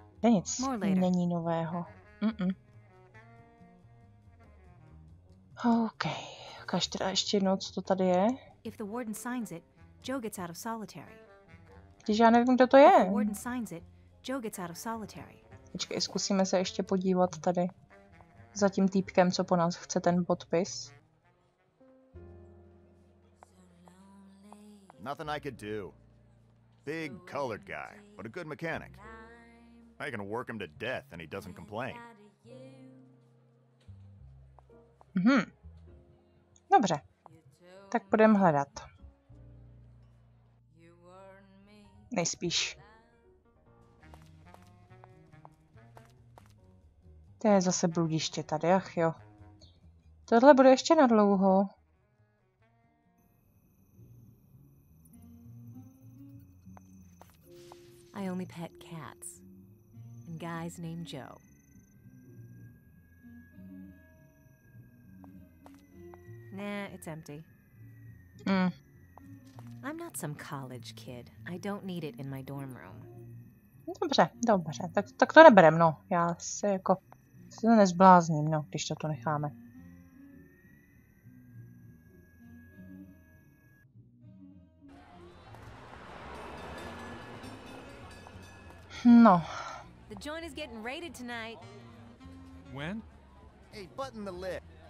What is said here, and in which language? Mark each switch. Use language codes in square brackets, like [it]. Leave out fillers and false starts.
[cs] Nic není nového. OK. Ukaž teda ještě jednou, co to tady je. [en] If the warden signs it, Joe gets out of solitary. [cs] Když já nevím, kdo to je. [en] If the warden signs it, Joe gets out of solitary. [cs] Počkej, zkusíme se ještě podívat tady. Za tím týpkem, co po nás chce ten podpis. [en] Nothing I could do. Big colored guy, but a good mechanic. I can work him to death and he doesn't complain. [cs] Dobře. Tak půjdeme hledat. Nejspíš. To je zase bludiště tady, ach jo. Tohle bude ještě na dlouho. [en] I only pet cats and guys named Joe. Nah, it's empty. I'm not some college kid. I don't need it in my dorm room. [cs] Dobře, dobře. Tak to neberem, no. Já se jako se nezblázním, no, když to tu necháme. [en] No. The joint is getting raided tonight. When? Hey, button the lid.